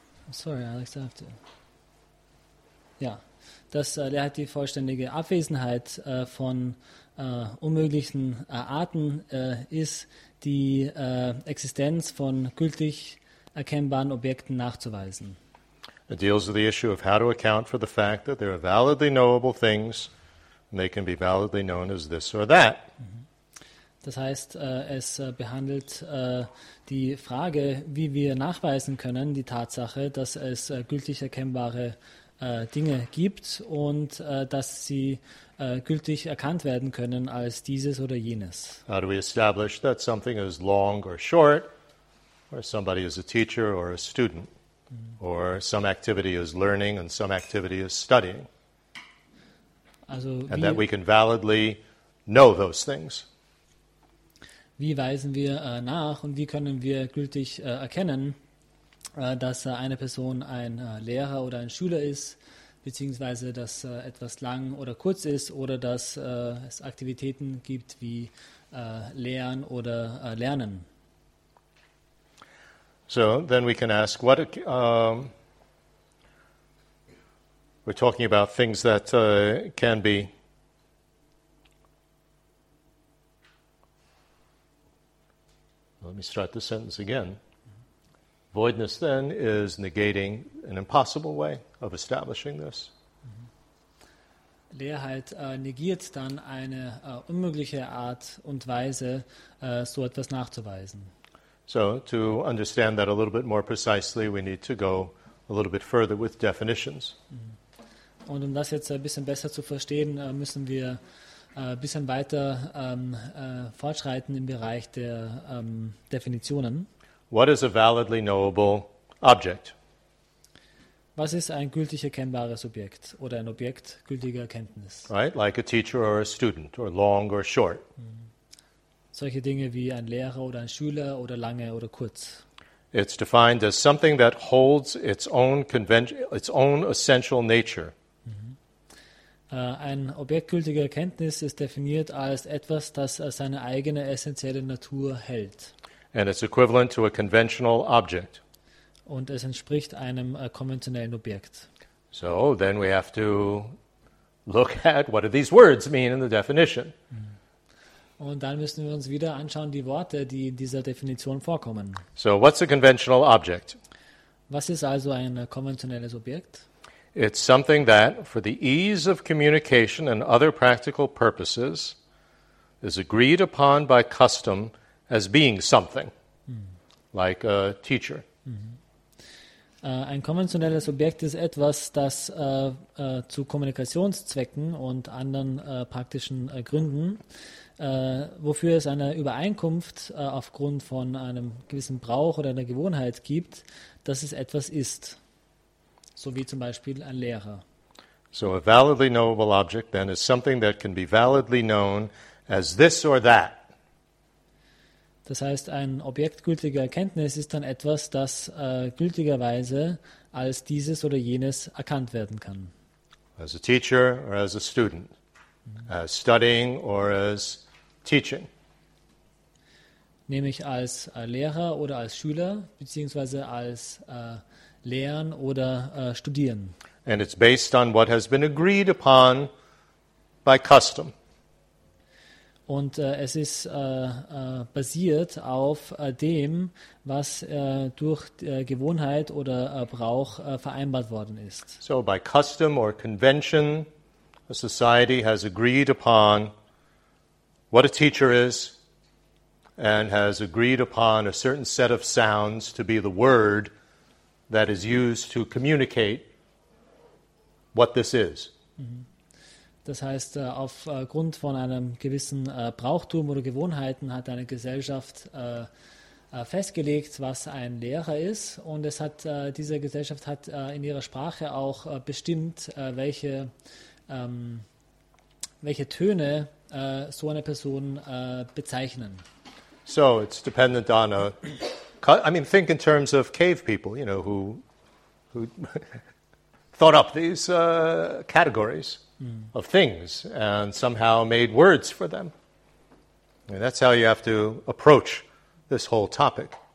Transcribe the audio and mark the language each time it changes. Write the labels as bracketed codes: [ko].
[en] Sorry, Alex, I have to. [de] Ja, dass Leerheit die vollständige Abwesenheit von unmöglichen Arten ist, die Existenz von gültig erkennbaren Objekten nachzuweisen. [en] It deals with the issue of how to account for the fact that there are validly knowable things and they can be validly known as this or that. [de] Das heißt, es behandelt die Frage, wie wir nachweisen können, die Tatsache, dass es gültig erkennbare Dinge gibt und dass sie gültig erkannt werden können als dieses oder jenes. [en] How do we establish that something is long or short, or somebody is a teacher or a student? Or some activity is learning and some activity is studying. [de] Also, [en] and that we can validly know those things. [de] Wie weisen wir nach und wie können wir gültig erkennen, dass eine Person ein Lehrer oder ein Schüler ist, beziehungsweise dass etwas lang oder kurz ist oder dass es Aktivitäten gibt wie Lehren oder Lernen. [en] So then we can ask, what we're talking about things that can be let me start the sentence again. Voidness then is negating an impossible way of establishing this. [de] Leerheit negiert dann eine unmögliche Art und Weise, so etwas nachzuweisen. [en] So to understand that a little bit more precisely, we need to go a little bit further with definitions. [de] Und um das jetzt ein bisschen besser zu verstehen, müssen wir ein bisschen weiter fortschreiten im Bereich der Definitionen. [en] What is a validly knowable object? [de] Was ist ein gültig erkennbares Objekt oder ein Objekt gültiger Erkenntnis? [en] Right, like a teacher or a student, or long or short. [de] Solche Dinge wie ein Lehrer oder ein Schüler oder lange oder kurz. [en] It's defined as something that holds its own essential nature. [de] Ein objektgültige Erkenntnis ist definiert als etwas, das seine eigene essentielle Natur hält. [en] And it's equivalent to a conventional object. [de] Und es entspricht einem konventionellen Objekt. [en] So then we have to look at what do these words mean in the definition. [de] Und dann müssen wir uns wieder anschauen, die Worte, die in dieser Definition vorkommen. [en] So, what's a conventional object? [de] Was ist also ein konventionelles Objekt? [en] It's something that, for the ease of communication and other practical purposes, is agreed upon by custom as being something, like a teacher. [de] Ein konventionelles Objekt ist etwas, das zu Kommunikationszwecken und anderen praktischen Gründen wofür es eine Übereinkunft aufgrund von einem gewissen Brauch oder einer Gewohnheit gibt, dass es etwas ist, so wie zum Beispiel ein Lehrer. [en] So a validly knowable object then is something that can be validly known as this or that. [de] Das heißt, ein objektgültiger Erkenntnis ist dann etwas, das gültigerweise als dieses oder jenes erkannt werden kann. [en] As a teacher or as a student. As studying or as teaching. [de] Nämlich als Lehrer oder als Schüler, beziehungsweise als Lehren oder Studieren. [en] And it's based on what has been agreed upon by custom. [de] Und es ist basiert auf dem, was durch Gewohnheit oder Brauch vereinbart worden ist. [en] So by custom or convention, a society has agreed upon what a teacher is and has agreed upon a certain set of sounds to be the word that is used to communicate what this is. [de] Das heißt, aufgrund von einem gewissen Brauchtum oder Gewohnheiten hat eine Gesellschaft festgelegt, was ein Lehrer ist. Und es hat diese Gesellschaft hat in ihrer Sprache auch bestimmt, welche Töne so eine Person bezeichnen. [en] So, it's dependent on a. I mean, think in terms of cave people, you know, who thought up these categories of things and somehow made words for them. And that's how you have to approach this whole topic.